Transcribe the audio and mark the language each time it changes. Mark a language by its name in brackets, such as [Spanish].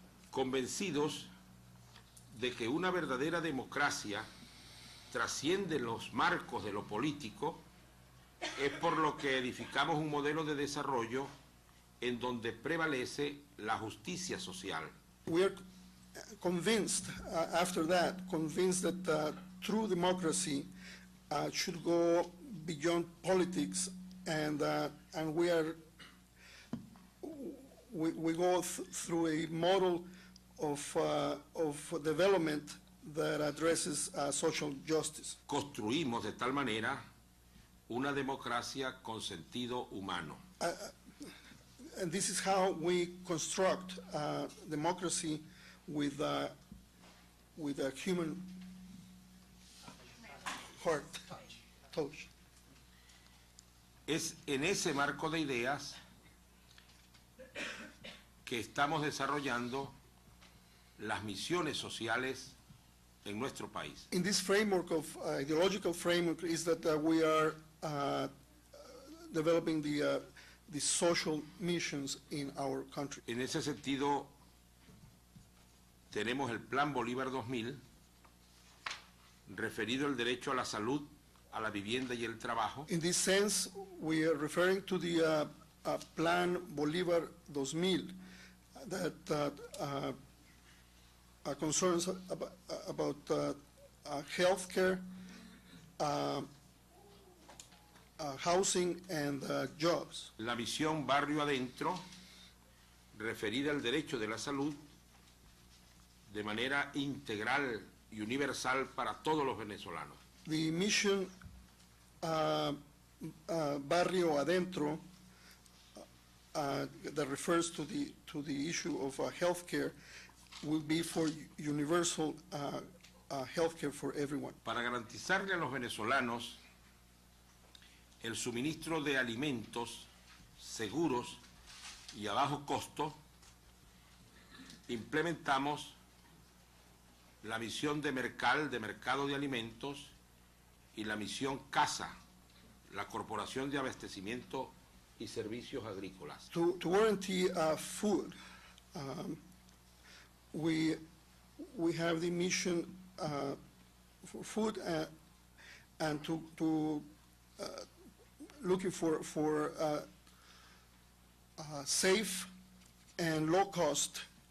[Spanish] convencidos de que una verdadera democracia trasciende los marcos de lo político, es por lo que edificamos un modelo de desarrollo en donde prevalece la justicia social. [English] We are convinced after that, convinced that true democracy should go beyond politics, and we go through a model of development that addresses social justice. [Spanish] Construimos de tal manera una democracia con sentido humano. [English] And this is how we construct democracy with a human heart touch. [Spanish] Es en ese marco de ideas que estamos desarrollando las misiones sociales en nuestro país. [English] In this framework of ideological framework is that we are developing the social missions in our country. [Spanish] En ese sentido, tenemos el Plan Bolívar 2000, referido al derecho a la salud, a la vivienda y el trabajo. [English] In this sense, we are referring to the Plan Bolívar 2000 that concerns about healthcare, housing and jobs. [Spanish] La misión Barrio Adentro, referida al derecho de la salud de manera integral y universal para todos los venezolanos. [English] The mission barrio adentro that refers to the issue of healthcare will be for universal healthcare for everyone. [Spanish] Para garantizarle a los venezolanos el suministro de alimentos seguros y a bajo costo, implementamos la misión de Mercal, de mercado de alimentos, y la misión CASA, la Corporación de Abastecimiento y Servicios Agrícolas. [English] To warranty food, we have the mission for food and to looking for safe and low cost